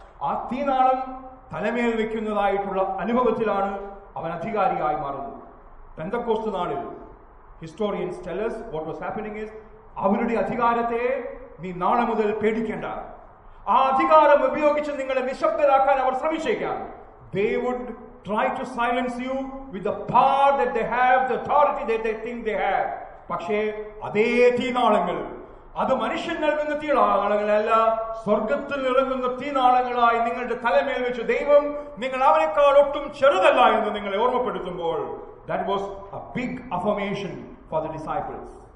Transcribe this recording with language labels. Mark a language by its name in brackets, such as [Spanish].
[Malayalam] ആ തീനാളം തലമേൽ വെക്കുന്നതായിട്ടുള്ള അനുഭവത്തിലാണ് അവൻ അധികാരിയായി മാറുന്നത്. പെന്തക്കോസ്റ്റ് നാളിൽ [English] historians tell us what was happening is [Malayalam] അവരുടെ അധികാരത്തെ നീ നാളെ മുതൽ പേടിക്കേണ്ട. ആ അധികാരം ഉപയോഗിച്ച് നിങ്ങളെ നിശബ്ദരാക്കാൻ അവർ ശ്രമിച്ചേക്കാം. [English] They would try to silence you with the power that they have, the authority that they think they have. [Malayalam] പക്ഷേ അതേ തീനാളങ്ങൾ, അത് മനുഷ്യൻ നൽകുന്ന തീനാളങ്ങളല്ല, സ്വർഗത്തിൽ ഇറങ്ങുന്ന തീനാളങ്ങളായി നിങ്ങളുടെ തലമേൽ വെച്ച് ദൈവം നിങ്ങൾ അവനേക്കാൾ ഒട്ടും ചെറുതല്ല എന്ന് നിങ്ങളെ ഓർമ്മപ്പെടുത്തുമ്പോൾ [English] that was a big affirmation for the disciples.